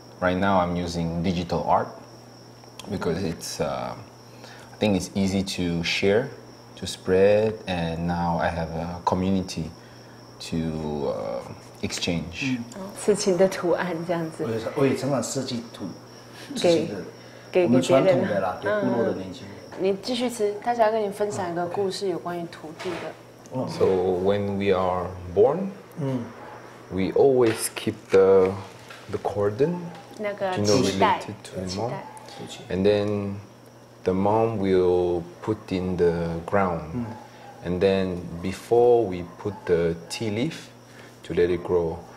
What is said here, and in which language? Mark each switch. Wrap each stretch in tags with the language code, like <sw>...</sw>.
<en>Right now I'm using digital art because it's, I think it's easy to share, to spread, and now I have a community to exchange.</en> <zh>事情的图案这样子。我也常常设计图，给我们传统的啦，对部落的年轻人。你继续吃，他想要跟你分享一个故事，有关于土地的。</zh> <en>So when we are born, we always keep the cordon, you know, related to the mom. And then the mom will put in the ground. And then before we put the tea leaf to let it grow.</en>